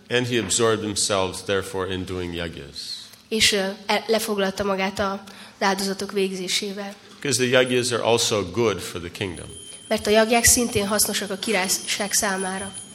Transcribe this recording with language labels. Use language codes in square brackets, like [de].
[en] And he absorbed himself, therefore, in doing yagyas. [hu] És lefoglalta magát az áldozatok végzésével. [en] Because the yagyas are also good for the kingdom. [hu] Mert a jagják szintén hasznosak a királyság számára.